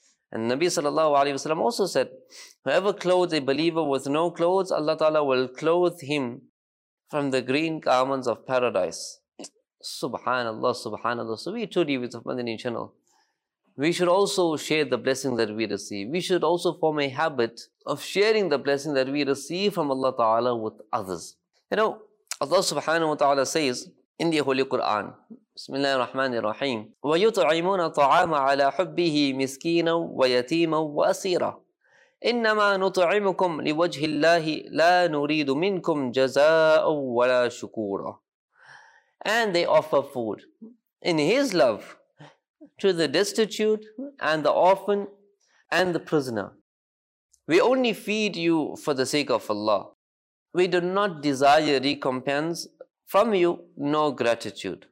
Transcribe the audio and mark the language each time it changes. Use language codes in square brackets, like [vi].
[en] And Nabi Sallallahu Alaihi Wasallam also said, whoever clothes a believer with no clothes, Allah Ta'ala will clothe him from the green garments of paradise. Subhanallah, subhanallah. So we too deal with the Madani channel. We should also share the blessing that we receive. We should also form a habit of sharing the blessing that we receive from Allah Ta'ala with others. You know, Allah subhanahu wa ta'ala says in the Holy Quran, Bismillah ar-Rahman ar-Rahim, [ar] وَيُطْعِمُونَ طَعَامَ عَلَىٰ حُبِّهِ مِسْكِينًا وَيَتِيمًا وَأَسِيرًا إِنَّمَا نُطْعِمُكُمْ لِوَجْهِ اللَّهِ لَا نُرِيدُ مِنْكُمْ جَزَاءً وَلَا شُكُورًا. [en] And they offer food in His love to the destitute and the orphan and the prisoner. We only feed you for the sake of Allah. We do not desire recompense from you, nor gratitude.